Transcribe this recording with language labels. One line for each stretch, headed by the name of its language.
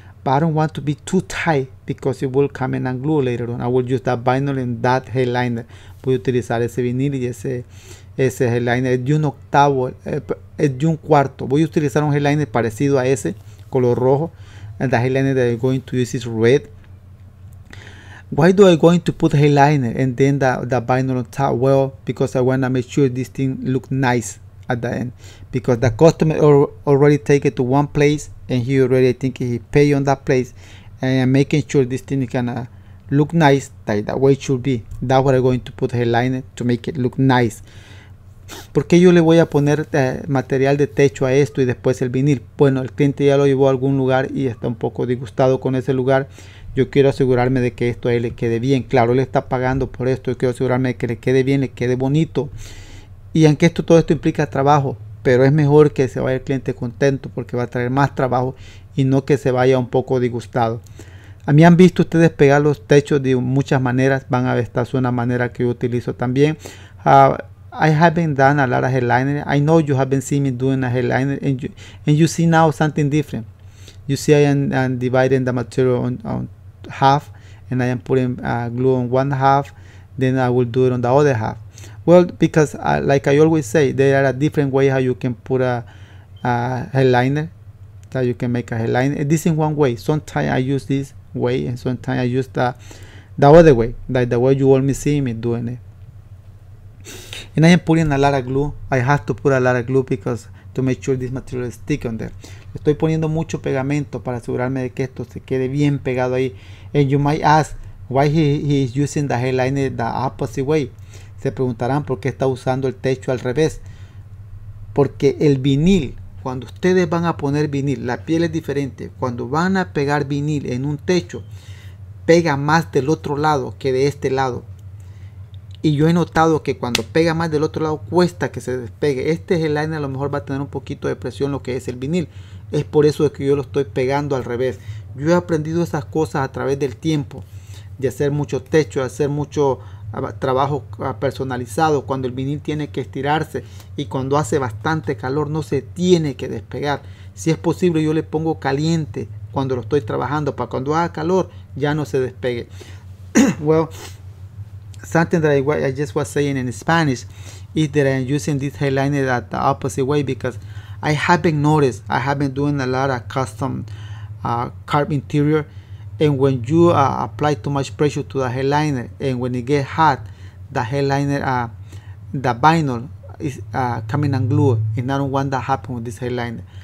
English: But I don't want to be too tight because it will come in and glue later on. I will use that vinyl and that headliner.
Spanish: Voy a utilizar ese vinil y ese headliner. Es de un octavo, es de un cuarto. Voy a utilizar un headliner parecido a ese, color rojo.
English: And the headliner that I'm going to use is red. Why do I going to put headliner and then the vinyl on top? Well, because I want to make sure this thing look nice at the end. Because the customer already take it to one place and he already think he pay on that place. And I'm making sure this thing is going to look nice, that way it should be. That's what I'm going to put headliner to make it look nice.
Spanish: ¿Por qué yo le voy a poner material de techo a esto y después el vinil? Bueno, el cliente ya lo llevó a algún lugar y está un poco disgustado con ese lugar. Yo quiero asegurarme de que esto a él le quede bien. Claro, él está pagando por esto. Yo quiero asegurarme de que le quede bien, le quede bonito. Y aunque esto, todo esto implica trabajo, pero es mejor que se vaya el cliente contento porque va a traer más trabajo y no que se vaya un poco disgustado. A mí han visto ustedes pegar los techos de muchas maneras. Van a ver, esta es una manera que yo utilizo también.
English: I haven't done a lot of headliner. I know you haven't seen me doing a headliner. And you see now something different. You see I am dividing the material on half. And I am putting glue on one half. Then I will do it on the other half. Well, because like I always say, there are different ways how you can put a headliner. That you can make a headliner. This is one way. Sometimes I use this way. And sometimes I use the other way. Like the way you want me seeing me doing it. And I am putting a lot of glue. I have to put a lot of glue because to make sure this material stick on there.
Spanish: Estoy poniendo mucho pegamento para asegurarme de que esto se quede bien pegado ahí.
English: And you might ask why he is using the headliner the opposite way.
Spanish: Se preguntarán por qué está usando el techo al revés. Porque el vinil, cuando ustedes van a poner vinil, la piel es diferente. Cuando van a pegar vinil en un techo, pega más del otro lado que de este lado. Y yo he notado que cuando pega más del otro lado, cuesta que se despegue. Este headliner a lo mejor va a tener un poquito de presión lo que es el vinil. Es por eso que yo lo estoy pegando al revés. Yo he aprendido esas cosas a través del tiempo. De hacer mucho techo, de hacer mucho trabajo personalizado. Cuando el vinil tiene que estirarse y cuando hace bastante calor, no se tiene que despegar. Si es posible, yo le pongo caliente cuando lo estoy trabajando. Para cuando haga calor, ya no se despegue.
English: Well, something that I just was saying in Spanish is that I'm using this headliner at the opposite way because I haven't noticed. I have been doing a lot of custom carved interior, and when you apply too much pressure to the headliner, and when it gets hot, the headliner, the vinyl is coming unglued, and I don't want that happen with this headliner.